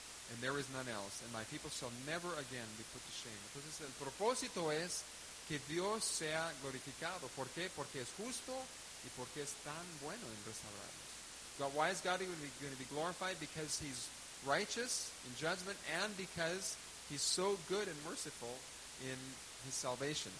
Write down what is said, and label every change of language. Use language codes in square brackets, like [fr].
[en] And there is none else. And my people shall never again be put to shame. [es] Entonces el propósito es que Dios sea glorificado. ¿Por qué? Porque es justo y porque es tan bueno en restaurarnos. [en] God, why is God going to be glorified? Because he's righteous in judgment and because he's so good and merciful in his salvation.